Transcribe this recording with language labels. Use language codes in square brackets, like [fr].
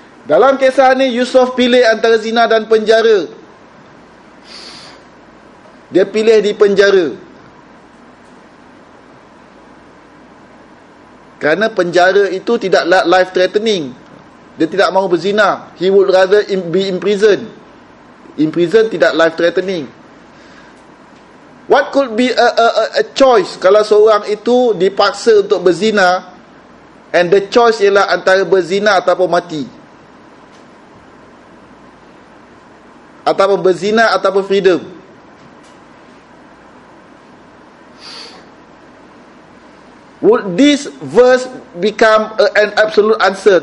[ms] Dalam kisah ni Yusuf pilih antara zina dan penjara. Dia pilih di penjara. Kerana penjara itu tidak [en] life threatening. [ms] Dia tidak mahu berzina. [en] He would rather be in prison. In prison [ms] tidak [en] life threatening. What could be a choice [ms] kalau seorang itu dipaksa untuk berzina, [en] and the choice [ms] ialah antara berzina ataupun [en] mati, ataupun berzina ataupun freedom? Would this verse become an absolute answer?